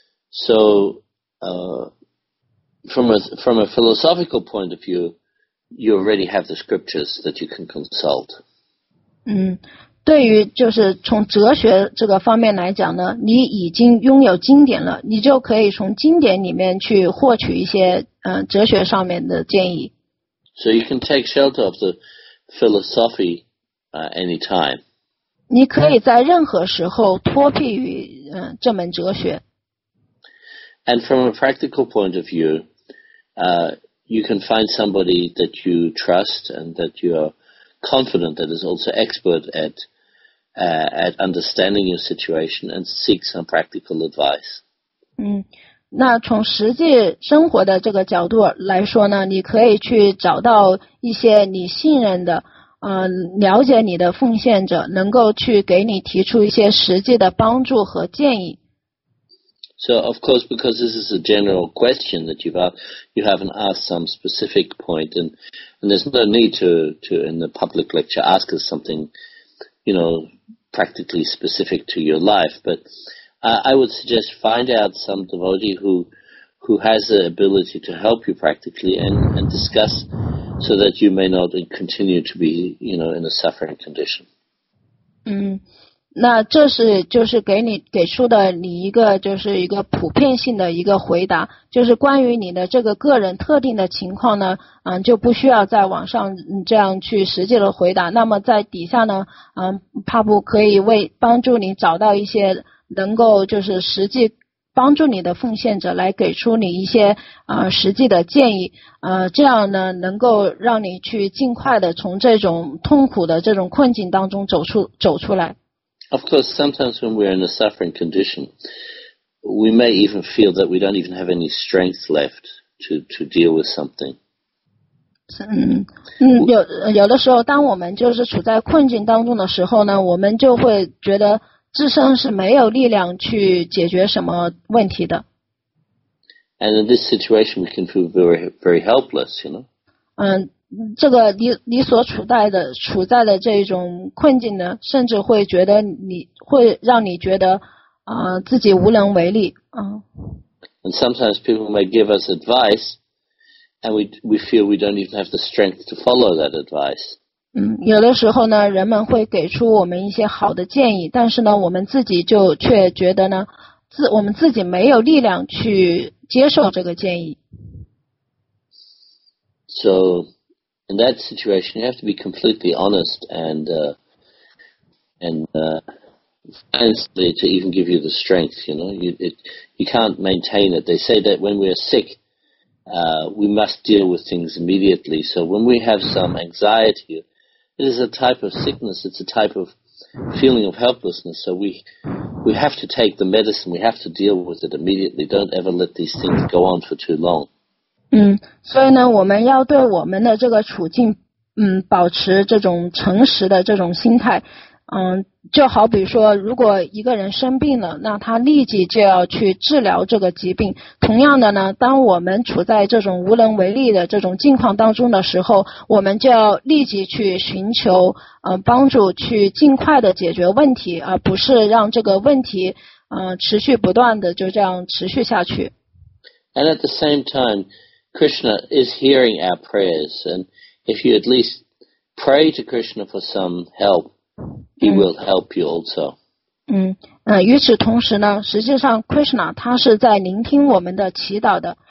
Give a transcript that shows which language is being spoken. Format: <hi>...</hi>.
<en>So, from a philosophical point of view, you already have the scriptures that you can consult.</en> <zh>对于就是从哲学这个方面来讲呢，你已经拥有经典了，你就可以从经典里面去获取一些哲学上面的建议。</zh> <en>So you can take shelter of the philosophy anytime.</en> <zh>你可以在任何时候脱僻于这门哲学。</zh> <en>And from a practical point of view, you can find somebody that you trust and that you are confident that is also expert at understanding your situation and seek some practical advice.</en> <zh>那从实际生活的这个角度来说呢，你可以去找到一些你信任的了解你的奉献者，能够去给你提出一些实际的帮助和建议。</zh> <en>So of course, because this is a general question that you've asked, you haven't asked some specific point, and there's no need to in the public lecture ask us something, you know, practically specific to your life. But I would suggest find out some devotee who has the ability to help you practically and discuss so that you may not continue to be, you know, in a suffering condition.</en> <zh>那这是就是给你给出的你一个就是一个普遍性的一个回答，就是关于你的这个个人特定的情况呢，就不需要在网上这样去实际的回答。那么在底下呢，Papu可以为帮助你找到一些能够就是实际帮助你的奉献者，来给出你一些实际的建议，这样呢能够让你去尽快的从这种痛苦的这种困境当中走出来。</zh> <en>Of course, sometimes when we're in a suffering condition, we may even feel that we don't even have any strength left to deal with something.</en> <zh>有的时候，当我们就是处在困境当中的时候呢，我们就会觉得自身是没有力量去解决什么问题的。</zh> <en>And in this situation, we can feel very, very helpless, you know.</en> <zh>这个你所处在的这种困境呢，甚至会觉得你会让你觉得自己无能为力啊。</zh> <en>And sometimes people may give us advice, and we feel we don't even have the strength to follow that advice.</en> <zh>有的时候呢，人们会给出我们一些好的建议，但是呢，我们自己就却觉得呢，我们自己没有力量去接受这个建议。</zh> <en>So. In that situation, you have to be completely honest and to even give you the strength, you know. You can't maintain it. They say that when we are sick, we must deal with things immediately. So when we have some anxiety, it is a type of sickness. It's a type of feeling of helplessness. So we have to take the medicine. We have to deal with it immediately. Don't ever let these things go on for too long.</en> <zh>所以呢，我们要对我们的这个处境，保持这种诚实的这种心态，就好比说，如果一个人生病了，那他立即就要去治疗这个疾病。同样的呢，当我们处在这种无能为力的这种境况当中的时候，我们就要立即去寻求，帮助，去尽快的解决问题，而不是让这个问题，持续不断的就这样持续下去。</zh> <en>And at the same time,Krishna is hearing our prayers, and if you at least pray to Krishna for some help, he will help you also.</en> <zh>与此同时呢，实际上 Krishna 他是在聆听我们的祈祷的。</zh>